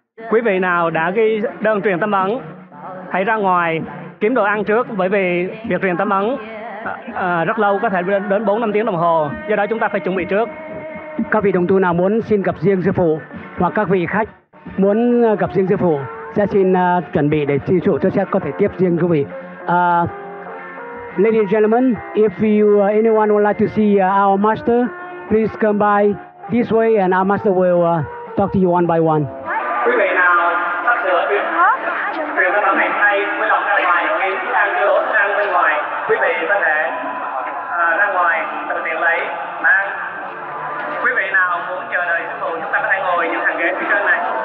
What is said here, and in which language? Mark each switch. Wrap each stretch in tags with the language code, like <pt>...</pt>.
<vi>Quý vị nào đã ghi đơn truyền tâm ấn, hãy ra ngoài kiếm đồ ăn trước, bởi vì việc truyền tâm ấn rất lâu, có thể đến 4-5 tiếng đồng hồ, do đó chúng ta phải chuẩn bị trước. Các vị đồng tu nào muốn xin gặp riêng sư phụ, hoặc các vị khách muốn gặp riêng sư phụ, sẽ xin chuẩn bị để sư phụ sẽ có thể tiếp riêng quý vị.</vi> <en>Ladies and gentlemen, if you anyone would like to see our master, please come by this way and our master will talk to you one by one.</en> <vi>Quý vị nào sắp sửa truyền tâm ấn này hay với lòng ra ngoài kiếm ăn cơ hội ăn bên ngoài, quý vị có thể ra ngoài tự tiện lấy mang. Quý vị nào muốn chờ đợi sư phụ, chúng ta có thể ngồi những hàng ghế phía trên này.</vi>